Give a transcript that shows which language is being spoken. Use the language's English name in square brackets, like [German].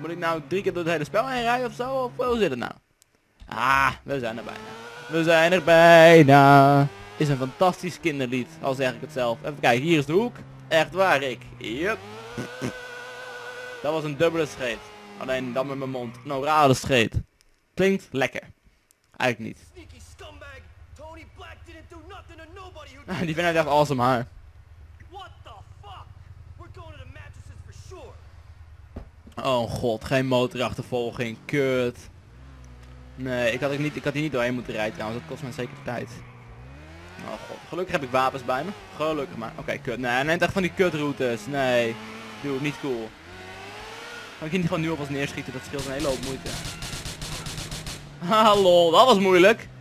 [Dutch] Moet ik nou drie keer door het hele spel heen rijden of zo? Of hoe zit het nou? Ah, we zijn er bijna. We zijn er bijna. Is een fantastisch kinderlied, al zeg ik het zelf. Even kijken, hier is de hoek. Echt waar, Rick. Yup. Dat was een dubbele scheet. Alleen dan met mijn mond. Een orale scheet. Klinkt lekker. Eigenlijk niet. [English] Sneaky scumbag. Tony Black didn't do nothing to nobody who did. [Dutch] Die vind ik echt awesome, haar. [English] What the fuck? We're going to the mattresses for sure. [Dutch] Oh god, geen motorachtervolging. Kut. Nee, ik had hier niet doorheen moeten rijden trouwens. Dat kost me zeker tijd. Oh god, gelukkig heb ik wapens bij me. Gelukkig maar. Oké, kut. Nee, neemt echt van die kutroutes. Nee. Dude, niet cool. Kan ik hier niet gewoon nu alvast neerschieten? Dat scheelt een hele hoop moeite. Hallo, dat was moeilijk.